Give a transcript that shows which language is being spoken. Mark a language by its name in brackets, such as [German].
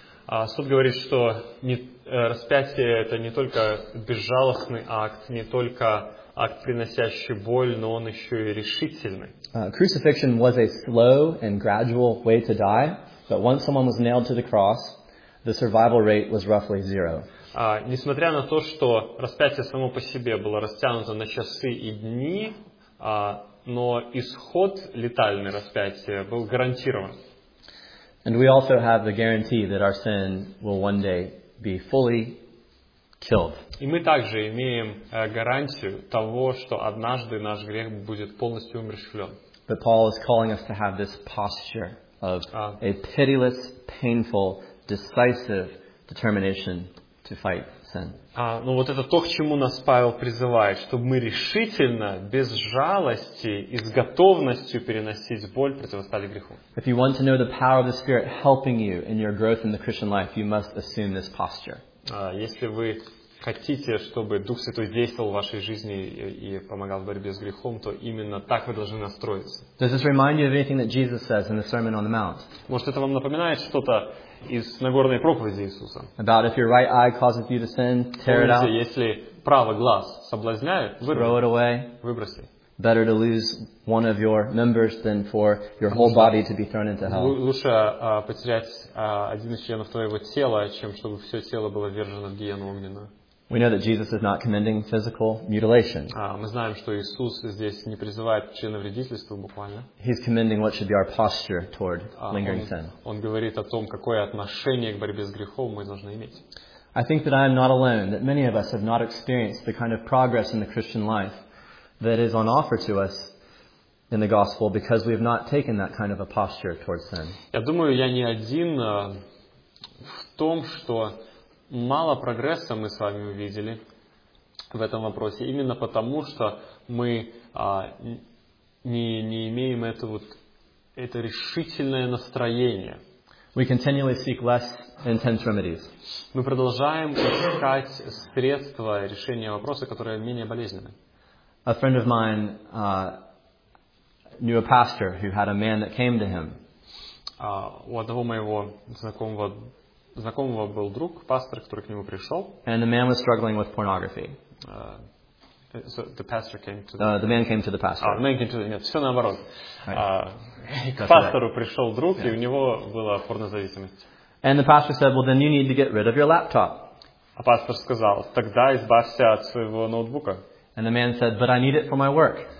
[Russian] Суд говорит, что распятие – это не только безжалостный акт, не только акт, приносящий боль, но он еще и решительный. [English] Crucifixion was a slow and gradual way to die, but once someone was nailed to the cross, the survival rate was roughly zero. [Russian] Несмотря на то, что распятие само по себе было растянуто на часы и дни, но исход летальный распятия был гарантирован. [English] And we also have the guarantee that our sin will one day be fully killed. [Russian] И мы также имеем гарантию того, что однажды наш грех будет полностью умерщвлен. [English] But Paul is calling us to have this posture of a pitiless, painful, decisive determination to fight sin. [Russian] Ну вот это то, к чему нас Павел призывает, чтобы мы решительно, без жалости и с готовностью переносить боль противостали греху. [English] If you want to know the power of the Spirit helping you in your growth in the Christian life, you must assume this posture. [Russian] Если вы хотите, чтобы Дух Святой действовал в вашей жизни и помогал в борьбе с грехом, то именно так вы должны настроиться. [English] Does this remind you of anything that Jesus says in the Sermon on the Mount? [Russian] Может, это вам напоминает что-то из Нагорной проповеди Иисуса? [English] About if your right eye causes you to sin, tear it out. [Russian] Если правый глаз соблазняет, [English] throw it away. [Russian] Выброси. [English] Better to lose one of your members than for your whole body to be thrown into hell. [Russian] Лучше потерять один из членов твоего тела, чем чтобы все тело было ввержено в гиену огненную. [English] We know that Jesus is not commending physical mutilation. [Russian] Мы знаем, что Иисус здесь не призывает к членовредительству буквально. [English] He's commending what should be our posture toward lingering sin. [Russian] Он говорит о том, какое отношение к борьбе с грехом мы должны иметь. [English] I think that I am not alone, that many of us have not experienced the kind of progress in the Christian life that is on offer to us in the gospel because we have not taken that kind of a posture towards sin. [Russian] Я думаю, я не один в том, что мало прогресса мы с вами увидели в этом вопросе, именно потому, что мы не имеем это вот это решительное настроение. [English] We continually seek less intense remedies. [Russian] Мы продолжаем искать средства решения вопроса, которые менее болезненны. [English] A friend of mine knew a pastor who had a man that came to him. [Russian] У одного моего знакомого знакомого был друг, пастор, который к нему пришел. [English] And the man was struggling with pornography. The man came to the pastor. [Russian] Пастору пришел друг, и у него была порнозависимость. [English] And the pastor said, "Well, then you need to get rid of your laptop." [Russian] А пастор сказал, тогда избавься от своего ноутбука. [English] And the man said, "But I need it for my work."